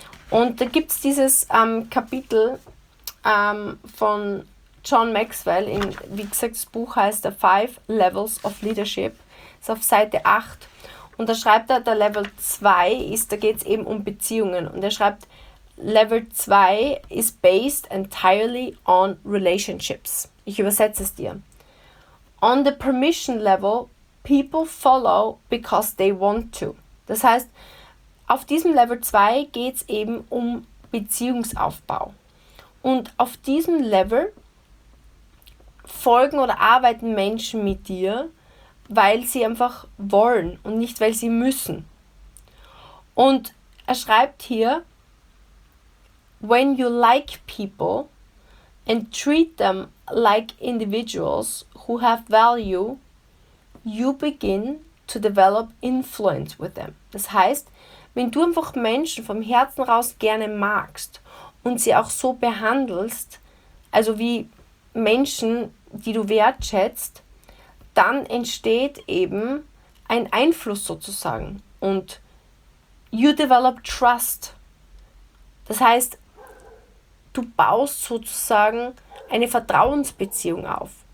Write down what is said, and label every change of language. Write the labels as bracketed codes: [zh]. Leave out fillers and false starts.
[de] Und da gibt es dieses Kapitel von John Maxwell, in, wie gesagt, das Buch heißt The 5 Levels of Leadership, ist auf Seite 8 und da schreibt er, der [en] Level 2 ist, da geht es eben um Beziehungen und er schreibt, Level 2 is based entirely on relationships. [de] Ich übersetze es dir. [en] On the permission level, people follow because they want to. [de] Das heißt, auf diesem Level 2 geht es eben um Beziehungsaufbau. Und auf diesem Level folgen oder arbeiten Menschen mit dir, weil sie einfach wollen und nicht, weil sie müssen. Und er schreibt hier, [en] when you like people and treat them like individuals who have value, you begin to develop influence with them. [de] Das heißt, wenn du einfach Menschen vom Herzen raus gerne magst und sie auch so behandelst, also wie Menschen, die du wertschätzt, dann entsteht eben ein Einfluss sozusagen. Und [en] you develop trust. [de] Das heißt, du baust sozusagen eine Vertrauensbeziehung auf.